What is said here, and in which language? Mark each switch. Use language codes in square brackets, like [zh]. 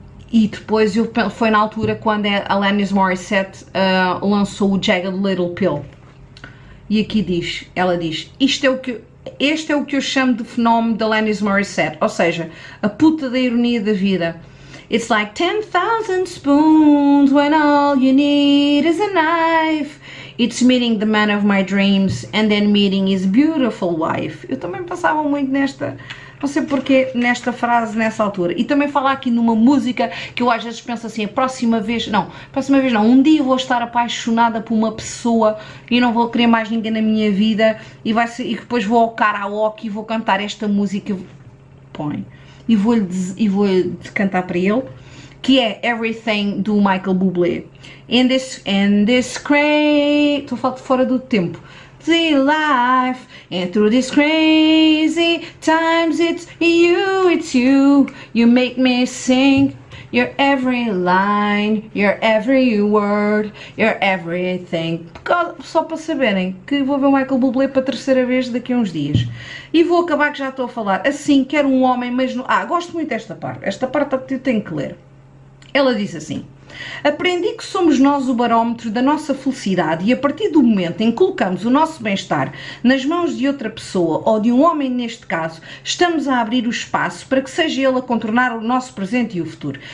[pt] E depois foi na altura quando a Alanis Morissette lançou o Jagged Little Pill. E aqui diz: ela diz, este é o que eu chamo de fenómeno de Alanis Morissette, ou seja, a puta da ironia da vida. [en] It's like 10,000 spoons when all you need is a knife. It's meeting the man of my dreams and then meeting his beautiful wife. [pt] Eu também passava muito nesta, não sei porquê, nesta frase, nessa altura. E também falar aqui numa música que eu às vezes penso assim: a próxima vez não, um dia vou estar apaixonada por uma pessoa e não vou querer mais ninguém na minha vida e vai ser, e depois vou ao karaoke e vou cantar esta música, põe, e vou cantar para ele, que é Everything do Michael Bublé. [en] In this crazy, [pt] estou fora do tempo. [en] Life and through these crazy times, it's you. You make me sing. You're every line, you're every word, you're everything. [pt] Só para saberem que vou ver o Michael Bublé para a terceira vez daqui a uns dias. E vou acabar que já estou a falar. Assim, quero um homem, mas não. Ah, gosto muito desta parte. Esta parte eu tenho que ler. Ela diz assim: Aprendi que somos nós o barómetro da nossa felicidade e a partir do momento em que colocamos o nosso bem-estar nas mãos de outra pessoa ou de um homem neste caso, estamos a abrir o espaço para que seja ele a controlar o nosso presente e o futuro.